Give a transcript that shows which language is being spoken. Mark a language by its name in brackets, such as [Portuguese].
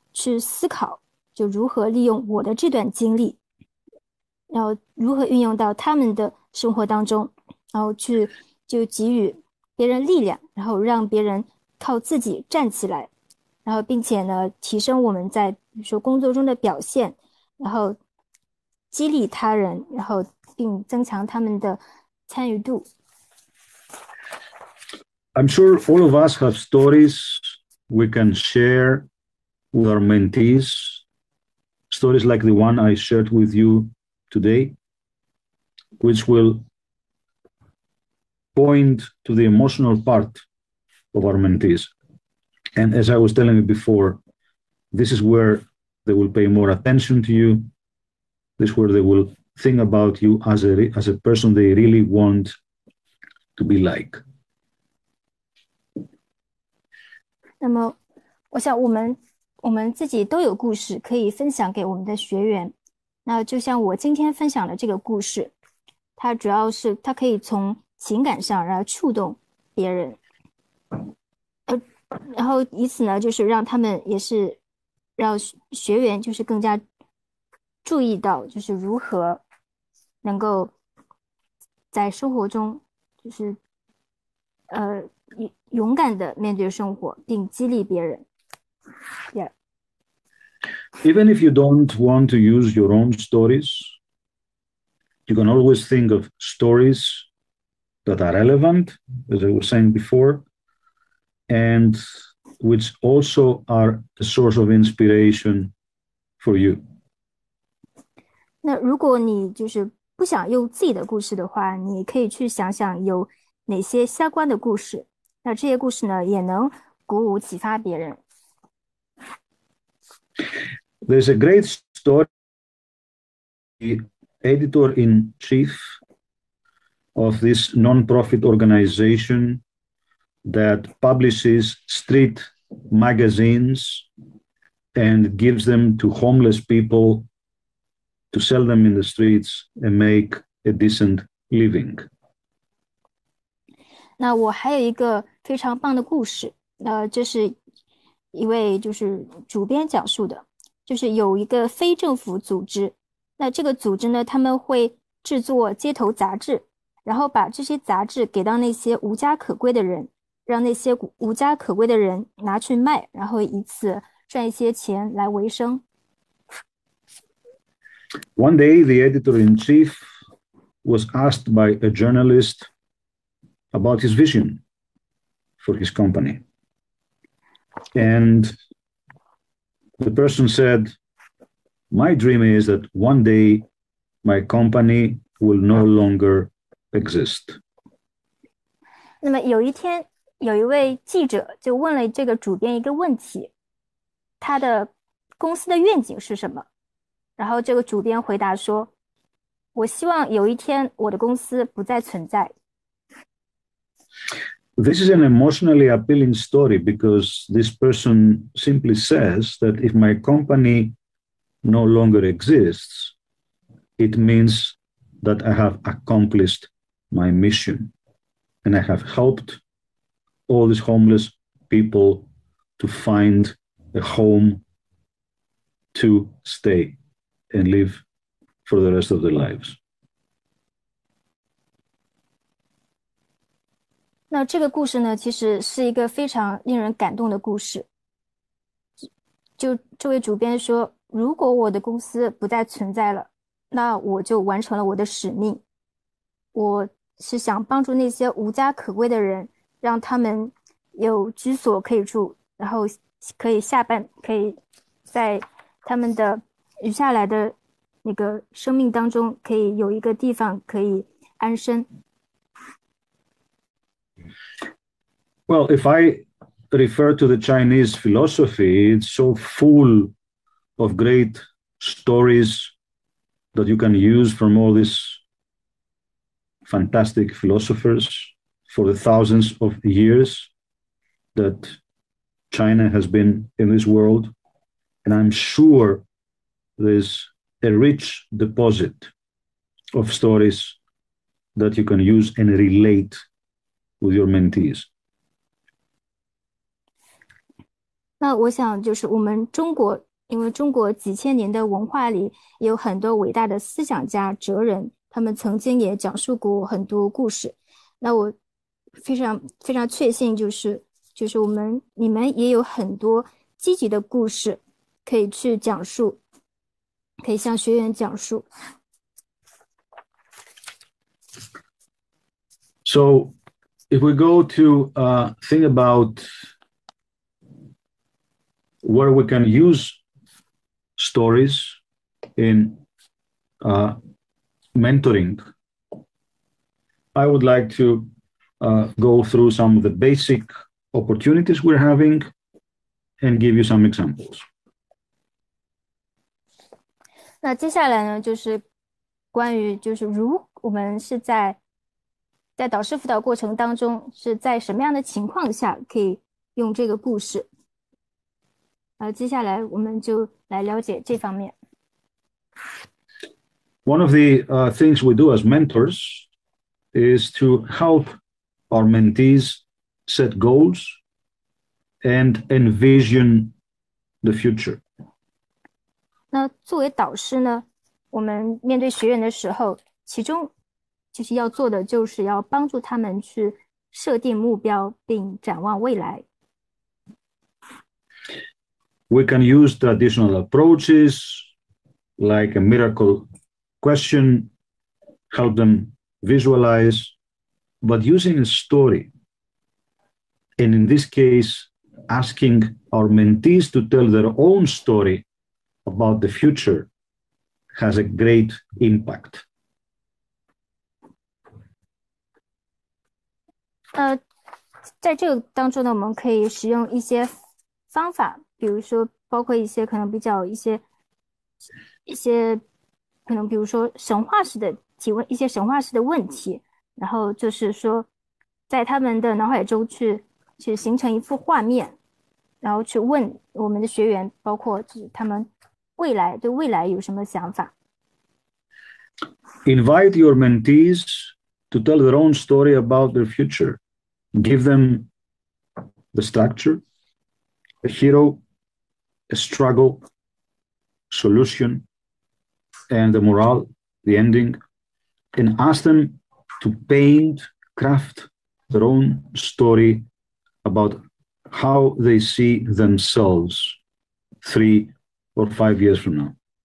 [Chinese] 去思考，就如何利用我的这段经历，然后如何运用到他们的生活当中，然后去就给予别人力量，然后让别人靠自己站起来，然后并且呢，提升我们在比如说工作中的表现，然后激励他人，然后并增强他们的参与度。 [English] I'm sure all of us have stories we can share with our mentees, stories like the one I shared with you today, which will point to the emotional part of our mentees. And as I was telling you before, this is where they will pay more attention to you. This is where they will think about you as a person they really want to be like. [Chinese] 那么，我想我们自己都有故事可以分享给我们的学员。那就像我今天分享的这个故事，它主要是它可以从情感上然后触动别人，然后以此呢就是让他们也是让学员就是更加注意到就是如何能够在生活中就是勇敢的面对生活，并激励别人。 [English] Even if you don't want to use your own stories, you can always think of stories that are relevant, as I was saying before, and which also are a source of inspiration for you. [Chinese] 那如果你就是不想用自己的故事的话，你可以去想想有哪些相关的故事，那这些故事呢，也能鼓舞启发别人。 [English] There's a great story. The editor-in-chief of this non-profit organization that publishes street magazines and gives them to homeless people to sell them in the streets and make a decent living. [Chinese] 那我还有一个非常棒的故事，这是一位就是主编讲述的，就是有一个非政府组织，那这个组织呢，他们会制作街头杂志，然后把这些杂志给到那些无家可归的人，让那些无家可归的人拿去卖，然后以此赚一些钱来维生。 [English] One day, the editor-in-chief was asked by a journalist about his vision for his company. And the person said, "My dream is that one day my company will no longer exist." [Chinese] 那么有一天，有一位记者就问了这个主编一个问题，他的公司的愿景是什么？然后这个主编回答说："我希望有一天我的公司不再存在。" [English] This is an emotionally appealing story because this person simply says that if my company no longer exists, it means that I have accomplished my mission and I have helped all these homeless people to find a home to stay and live for the rest of their lives. [Chinese] 那这个故事呢，其实是一个非常令人感动的故事。就这位主编说，如果我的公司不再存在了，那我就完成了我的使命。我是想帮助那些无家可归的人，让他们有居所可以住，然后可以下班，可以在他们的余下来的那个生命当中，可以有一个地方可以安身。 [English] Well, if I refer to the Chinese philosophy, it's so full of great stories that you can use from all these fantastic philosophers for the thousands of years that China has been in this world. And I'm sure there's a rich deposit of stories that you can use and relate with your mentees. [Chinese] 那我想，就是我们中国，因为中国几千年的文化里有很多伟大的思想家、哲人，他们曾经也讲述过很多故事。那我非常非常确信，就是你们也有很多积极的故事可以去讲述，可以向学员讲述。 [English] So, if we go to think about where we can use stories in mentoring, I would like to go through some of the basic opportunities we're having and give you some examples. [Chinese] 那接下来呢，就是关于就是如我们是在导师辅导过程当中，是在什么样的情况下可以用这个故事？接下来我们就来了解这方面。 [English] One of the things we do as mentors is to help our mentees set goals and envision the future. [Chinese] 那作为导师呢，我们面对学员的时候，其中就是要做的，就是要帮助他们去设定目标并展望未来。 [English] We can use traditional approaches like a miracle question, help them visualize, but using a story. And in this case, asking our mentees to tell their own story about the future has a great impact. [Chinese] 在这个当中呢，我们可以使用一些方法，比如说包括一些可能比较一些可能比如说神话式的提问，一些神话式的问题，然后就是说在他们的脑海中去形成一幅画面，然后去问我们的学员，包括就是他们未来对未来有什么想法。 [English] Invite your mentees to tell their own story about their future. Give them the structure, a hero, a struggle, solution, and the morale, the ending, and ask them to paint, craft their own story about how they see themselves 3 or 5 years from now.